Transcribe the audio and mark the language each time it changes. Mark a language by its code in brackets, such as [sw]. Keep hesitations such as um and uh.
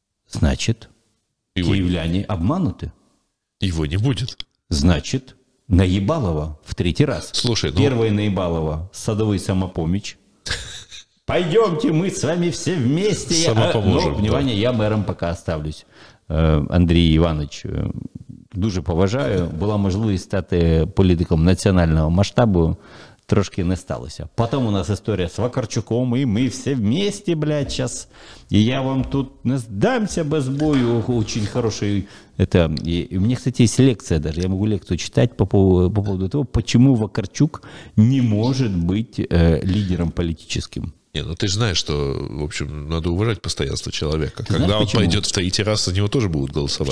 [ru] Значит, киевляне обмануты. Его не будет. Значит, наебалово в третий раз. Слушай, ну... Первое наебалово, садовый самопомич. Пойдемте мы с вами все вместе. Самопоможем. Но, внимание, я мэром пока оставлюсь. [uk] Андрей Иванович, дуже поважаю. Була можливість стати політиком національного масштабу. Трошки не сталося. Потім у нас історія з Вакарчуком, і ми всі в місті, блядь, час. І я вам тут не здамся без бою. [ru] Очень хороший. Это, и і у мене, кстати, есть лекция даже. Я могу лекцию читать по поводу, по поводу того, почему Вакарчук не может быть э, [uk] лідером політичним. [ru] Не, ну ты же знаешь, что, в общем, надо уважать постоянство человека. Ты знаешь, Когда знаешь, он почему? пойдет в третий раз, за него тоже будут голосовать.